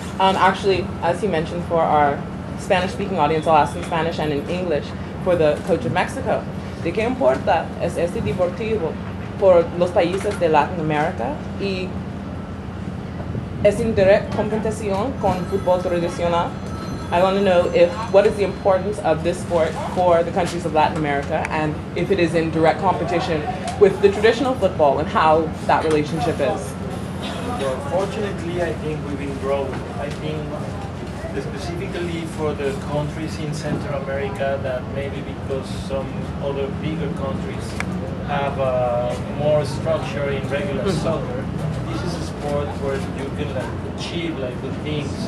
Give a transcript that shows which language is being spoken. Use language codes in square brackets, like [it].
[en] Actually, as he mentioned, for our Spanish-speaking audience, I'll ask in Spanish and in English for the coach of Mexico. [es] ¿De qué importa es este deportivo por los países de Latin America? ¿Y es en directa competición con fútbol tradicional? [en] I want to know what is the importance of this sport for the countries of Latin America, and if it is in direct competition with the traditional football, and how that relationship is. Well, fortunately, I think we've been growing. I think specifically for the countries in Central America, that maybe because some other bigger countries have more structure in regular soccer, this is a sport where you can achieve like good things.